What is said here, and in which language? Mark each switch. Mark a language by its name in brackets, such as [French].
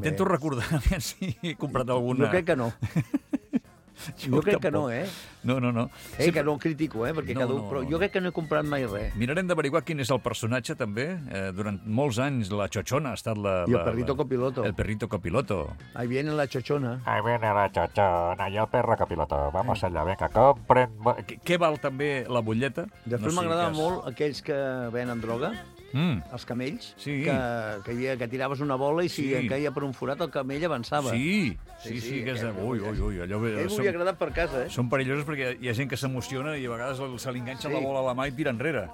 [Catalan] Intento recordar si he comprat alguna. Jo crec que no. Jo crec que no, eh? No. Sí, que no ho critico, perquè no, cadascú... Però jo crec que no he comprat mai res. Mirarem d'averiguar quin és el personatge, també. Durant molts anys la Chochona ha estat la... I el perrito copiloto. El perrito copiloto. [Spanish] Ahí viene la Chochona. Ahí viene la Chochona y el perro copiloto. Vamos allá, venga, compren... [Catalan] Què val també la butlleta? De fet, no m'agradava molt aquells que venen droga. Els camells, que tiraves una bola i si caia per un forat, el camell avançava. Sí, que és de... Ui, allò... Ell m'ho havia agradat per casa, eh? Són perillosos perquè hi ha gent que s'emociona i a vegades se li enganxa la bola a la mà i tira enrere.